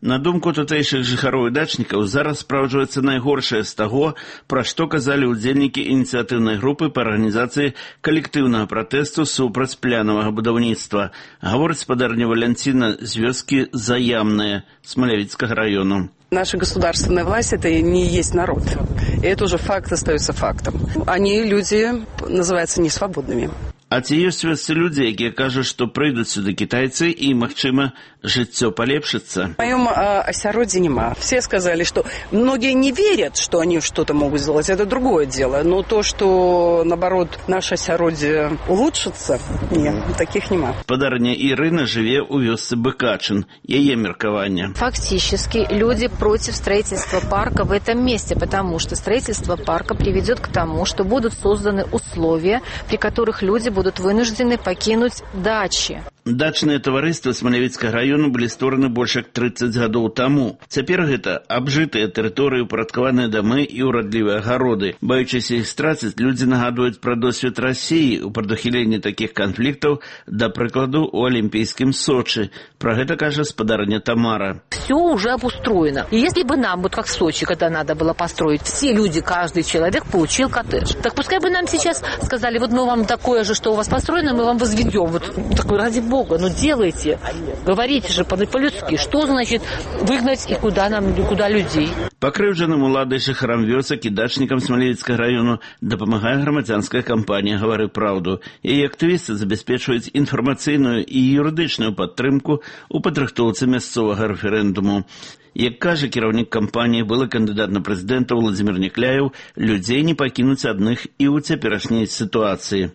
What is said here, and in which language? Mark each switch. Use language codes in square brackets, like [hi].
[be] На думку тутэйшых жыхароў і дачнікаў, зараз спраўджваецца найгоршае з таго, пра што казалі ўдзельнікі ініцыятыўнай групы па арганізацыі калектыўнага пратэсту супраць плянавага будаўніцтва. Гаворыць спадарня Валянціна з вёскі Заямная Смалявіцкага раёну. [ru] Наша государственная власть – это не есть народ. И это уже факт остается фактом. Они, люди, называются несвободными. [be] А ці ёсць вёсцы людзі, якія кажуць, што прыйдуць сюды кітайцы і, магчыма, жыццё палепшыцца? У маём асяроддзі няма. Все сказалі, што многія [ru] не верят, [be] што они што-то могуць зрабіць. [ru] Это другое дело. Но то, што, наоборот, наше асяроддзе улучшыцца, не, таких няма. [be] Падарня Ірына жыве ў вёсцы Быкачын. Яе меркаванне. [ru] Фактически, люди против строительства парка в этом месте, потому что строительство парка приведёт к тому, что будут созданы условия, при которых люди будут вынуждены покинуть дачи. [be] Дачныя таварыствы Смалявіцкага раёну былі створаны больш як 30 гадоў таму. Цяпер гэта абжытыя тэрыторыі, упарадкаваныя дамы і ўрадлівыя гароды. Баючыся іх страціць, людзі нагадваюць пра досвід Расіі ў прадухіленні такіх канфліктаў, да прыкладу, у алімпійскім Сочы. Пра гэта кажа спадарня Тамара. Всё ўжо абустроена. [ru] І если бы нам, вот как в Сочи, когда надо было построить, все люди, каждый человек получил коттедж. Так пускай бы нам сейчас сказали, вот мы вам такое же, что у вас построено, мы вам возведём. Вот такой ради Бога, ну делайте, говорите же по-людски, что значит выгнать и куда нам, куда людей. [be] Покрыўджаным уладай жыхарам вёсак і дачнікам Смалявіцкага раёну дапамагае грамадзянская кампанія «Гавары праўду». Яе актывісты забяспечваюць інфармацыйную і юрыдычную падтрымку ў падрыхтоўцы мясцовага рэферэндуму. Як кажа кіраўнік кампаніі, былы кандыдат на прэзідэнта Уладзімір Некляеў, людзей не пакінуць адных і ў цяперашняй сітуацыі.